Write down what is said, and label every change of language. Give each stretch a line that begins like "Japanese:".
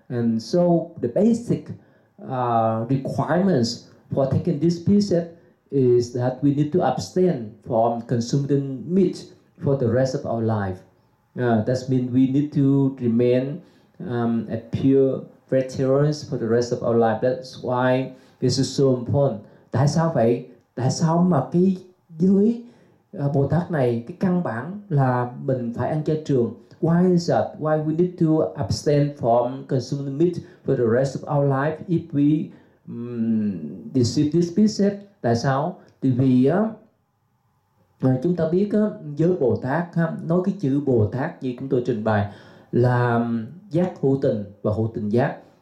English: And so the basic requirements for taking this precept is that we need to abstain from consuming meat for the rest of our life. That means we need to remain a pure vegetarian for the rest of our life. That's why this is so important.
Vietnamese: Tại sao vậy? Tại sao mà cái giới Bồ Tát này, cái căn bản là mình phải ăn chay trường?
English: Why is that? Why we need to abstain from consuming meat for the rest of our life if we receive this precept?
Vietnamese: Tại sao? Thì vì chúng ta biết giới Bồ Tát, nói cái chữ Bồ Tát như chúng tôi trình bày là giác hữu tình và hữu tình giác.